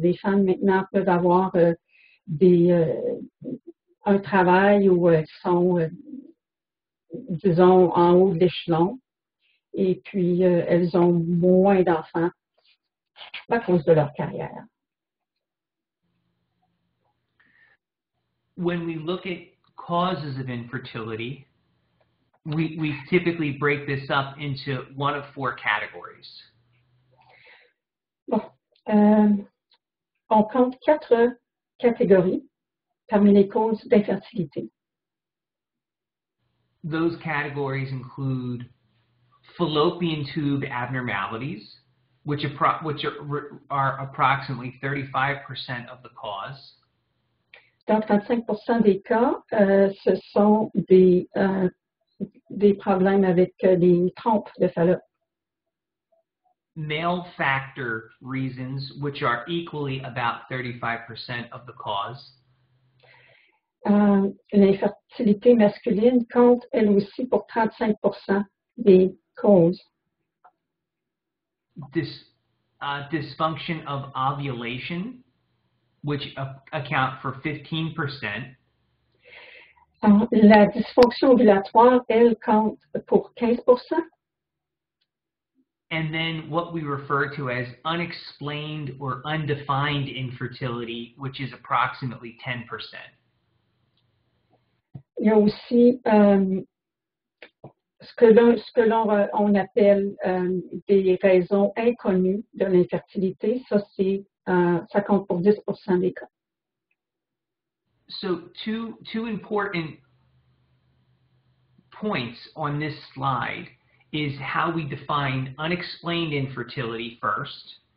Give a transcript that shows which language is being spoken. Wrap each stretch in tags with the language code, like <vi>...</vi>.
<fr>Les femmes maintenant peuvent avoir un travail où elles sont, disons, en haut de l'échelon et puis elles ont moins d'enfants à cause de leur carrière.</fr> <en>When we look at causes of infertility, we typically break this up into one of four categories. Bon,</en> <fr>On compte quatre catégories parmi les causes d'infertilité.</fr> <en>Those categories include fallopian tube abnormalities, which are approximately 35% of the cause.</en> <fr>Donc 35% des cas, ce sont des problèmes avec les trompes de Fallope.</fr> <en>Male factor reasons, which are equally about 35% of the cause.</en> <fr>L'infertilité masculine compte elle aussi pour 35% des causes.</fr> <en>Dysfunction of ovulation, which account for 15%.</en> <fr>La dysfonction ovulatoire, elle compte pour 15%.</fr> <en>And then what we refer to as unexplained or undefined infertility, which is approximately 10%.</en> <fr>Il y a aussi ce que l'on appelle des raisons inconnues de l'infertilité. Ça compte pour 10% des cas.</fr> <en>So two important points on this slide is how we define unexplained infertility first.</en>